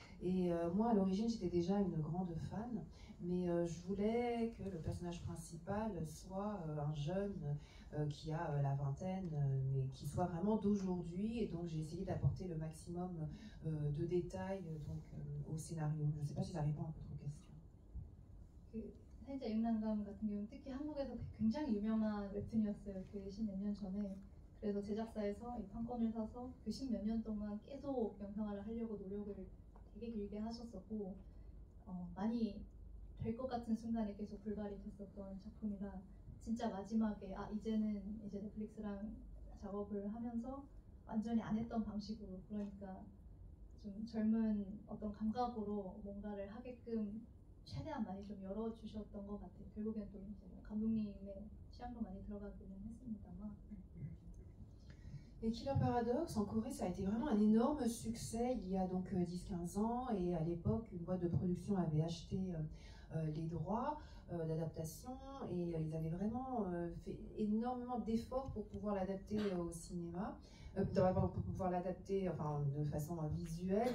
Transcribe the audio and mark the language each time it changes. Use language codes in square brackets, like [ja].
[fr] Et moi, à l'origine, j'étais déjà une grande fan. Mais je voulais que le personnage principal soit un jeune qui a la vingtaine, mais qui soit vraiment d'aujourd'hui. Et donc, j'ai essayé d'apporter le maximum de détails au scénario. Je ne sais pas si ça répond à votre question. [ko] 살자 육난감 같은 경우 특히 한국에서 굉장히 유명한 웹툰이었어요. 그 십몇 년 전에 그래서 제작사에서 이 판권을 사서 그 십몇 년 동안 계속 영상화를 하려고 노력을 되게 길게 하셨었고 많이 될 것 같은 순간에 계속 불발이 됐었던 작품이라 진짜 마지막에 아 이제는 이제 넷플릭스랑 작업을 하면서 완전히 안 했던 방식으로 그러니까 좀 젊은 어떤 감각으로 뭔가를 하게끔 최대한 많이 좀 열어주셨던 것 같아요. 결국엔 또 이제 감독님의 취향도 많이 들어가기는 했습니다만. [fr] Et Killer Paradox en Corée, ça a été vraiment un énorme succès il y a donc 10-15 ans. Et à l'époque, une boîte de production avait acheté les droits d'adaptation et ils avaient vraiment fait énormément d'efforts pour pouvoir l'adapter au cinéma, pour pouvoir l'adapter de façon visuelle.